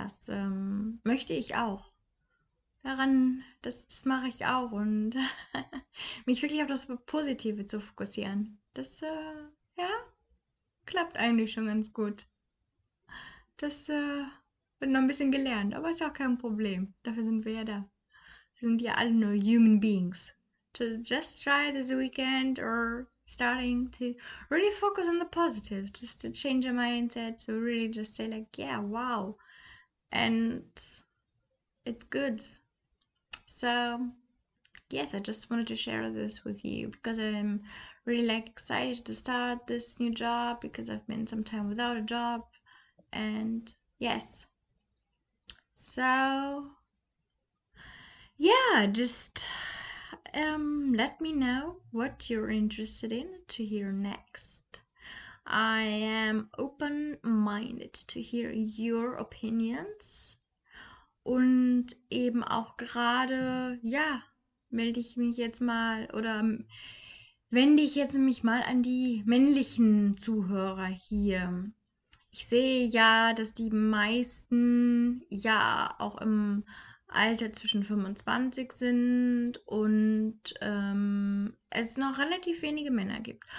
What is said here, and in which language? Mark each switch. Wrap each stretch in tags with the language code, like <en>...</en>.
<de>Das möchte ich auch. Daran, das mache ich auch. Und mich wirklich auf das Positive zu fokussieren. Das, ja, klappt eigentlich schon ganz gut. Das, bin noch ein bisschen gelernt, aber ist auch kein Problem. Dafür sind wir ja da. Wir sind ja alle nur Human Beings.</de> <en>To just try this weekend or starting to really focus on the positive, just to change your mindset, to really just say like, yeah, wow, and it's good. So, yes, I just wanted to share this with you because I'm really like excited to start this new job because I've been some time without a job, and yes. So, yeah, just let me know what you're interested in to hear next. I am open-minded to hear your opinions</en> <de>Und eben auch gerade, ja, melde ich mich jetzt mal oder wende ich jetzt mich mal an die männlichen Zuhörer hier. Ich sehe ja, dass die meisten ja auch im Alter zwischen 25 sind und es noch relativ wenige Männer gibt.</de>